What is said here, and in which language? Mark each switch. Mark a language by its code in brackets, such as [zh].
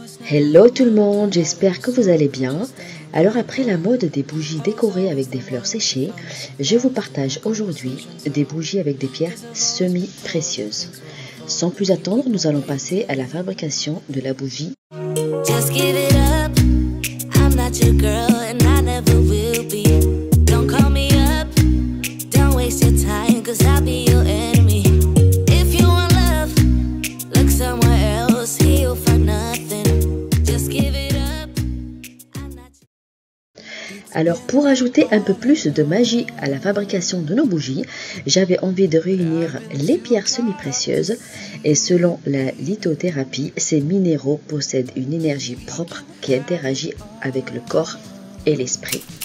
[fr] Hello tout le monde, j'espère que vous allez bien. Alors après la mode des bougies décorées avec des fleurs séchées, je vous partage aujourd'hui des bougies avec des pierres semi-précieuses. Sans plus attendre, nous allons passer à la fabrication de la bougie. [en] Just give it up, I'm not your girl and I never will be. Don't call me up, don't waste your time, cause I'll be your enemy. If you want love, look somewhere else, heal for nothing. Just give it up, I'm not your girl. [fr] Alors pour ajouter un peu plus de magie à la fabrication de nos bougies, j'avais envie de réunir les pierres semi-précieuses et selon la lithothérapie, ces minéraux possèdent une énergie propre qui interagit avec le corps et l'esprit.